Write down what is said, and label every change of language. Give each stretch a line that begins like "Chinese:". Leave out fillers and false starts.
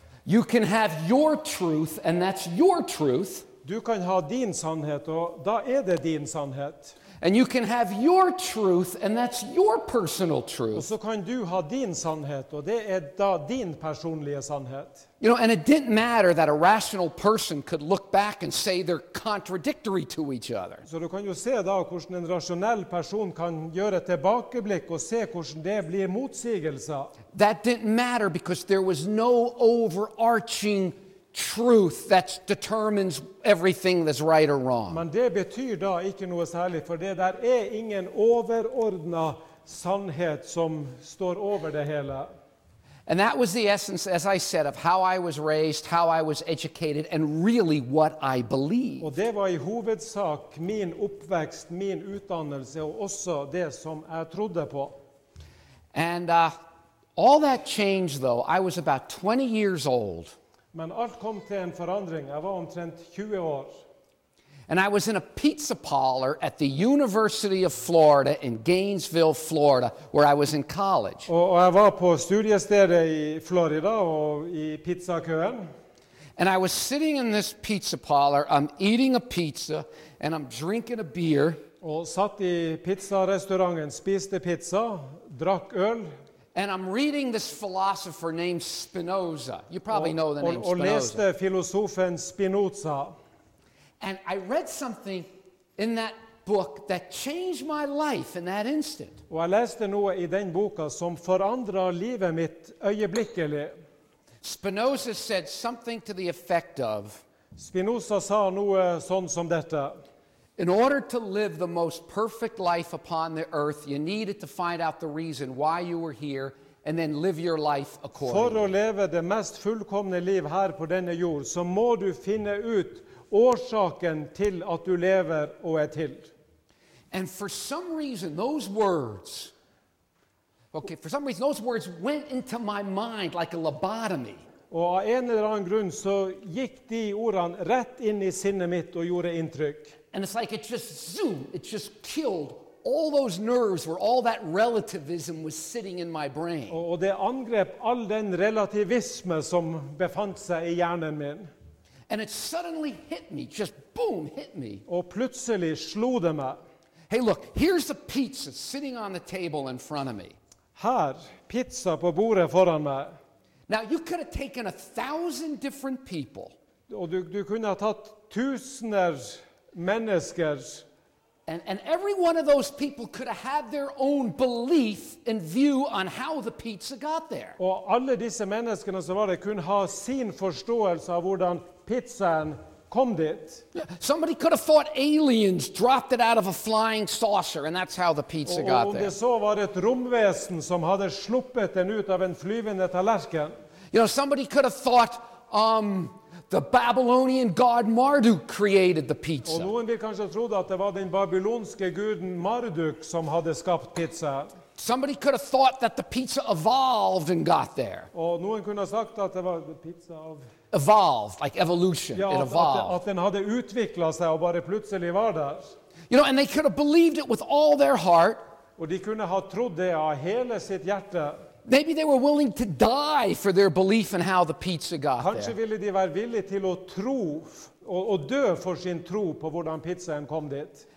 English: You can have your truth and that's your truth.
Norwegian: Du kan ha din sannhet og da det din sannhet.
English: And you can have your truth and that's your personal truth.
Swedish: Och så kan du ha din sanning och det då din personliga sanning.
English: You know, and it didn't matter that a rational person could look back and say they're contradictory to each other.
Swedish: Så du kan ju se då hur en rationell person kan göra tillbakablick och se hur det blir motsägelse.
English: That didn't matter because there was no overarching truth that determines everything that's right or wrong.
Swedish: Men det betyder då inte något särskilt för det där ingen överordnad sanning som står över det hela.
English: And that was the essence, as I said, of how I was raised, how I was educated, and really what I believed.
Swedish: Och det var i huvudsak min uppväxt, min utdannelse och också det som jag trodde på.
English: And all that changed though. I was about 20 years old.
Swedish: Men allt kom till en förändring. Jag var omtrent 20 år.
English: And I was in a pizza parlor at the University of Florida in Gainesville, Florida, where I was in college.
Swedish: Och jag var på studiestället i Florida och i pizzakön.
English: And I was sitting in this pizza parlor. I'm eating a pizza and I'm drinking a beer.
Swedish: Och satt i pizzarestaurangen, spiste pizza, drack öl.
English: And I'm reading this philosopher named Spinoza. You probably know the name Spinoza.
Swedish: Och läste filosofen Spinoza.
English: And I read something in that book that changed my life in that instant.
Swedish: Och jag läste något i den boken som förändrar livet mitt ögonblickligen.
English: Spinoza said something to the effect of.
Swedish: Spinoza sa något sånt som detta.
English: In order to live the most perfect life upon the earth, you needed to find out the reason why you were here and then live your life accordingly.
Swedish: För att leva det mest fullkomna liv här på denna jord, så må du finna ut orsaken till att du lever och till.
English: And for some reason those words went into my mind like a lobotomy.
Swedish: Och av en eller annan grund så gick de orden rätt in i sinnet mitt och gjorde intryck.
English: And it's like it just killed all those nerves where all that relativism was sitting in my brain.
Swedish: Och det angrep all den relativism som befann sig i hjärnan min.
English: And it suddenly hit me, just boom, hit me.
Swedish: Och plötsligt slog det mig.
English: Hey look, here's the pizza sitting on the table in front of me.
Swedish: Här, pizza på bordet föran mig.
English: Now you could have taken 1,000 different people.
Swedish: Och du kunde ha tagit tusener människor.
English: And every one of those people could have had their own belief and view on how the pizza got there.
Swedish: Och alla dessa människor som var där kunde ha sin förståelse av hur pizzan kom dit.
English: Yeah. Somebody could have thought aliens dropped it out of a flying saucer, and that's how the pizza got there.
Swedish: Om det så var ett rumväsen som hade sluppet den ut av en flyvande tallerken.
English: You know, somebody could have thought the Babylonian god Marduk created the pizza.
Swedish: Och någon vill kanske tro att det var den babyloniska guden Marduk som hade skapat pizza.
English: Somebody could have thought that the pizza evolved and got there.
Swedish: Och någon kunde ha sagt att det var pizza av
English: evolved, like evolution,
Swedish: ja,
English: it evolved.
Swedish: Att den hade utvecklat sig och bara plötsligt var där.
English: You know, and they could have believed it with all their heart.
Swedish: Och de kunde ha trott det av hela sitt hjärta.
English: Maybe they were willing to die for their belief in how the pizza got
Swedish: kanske
English: there.
Norwegian: Ville de være villige til å tro og dø for sin tro på hvordan pizzaen kom dit.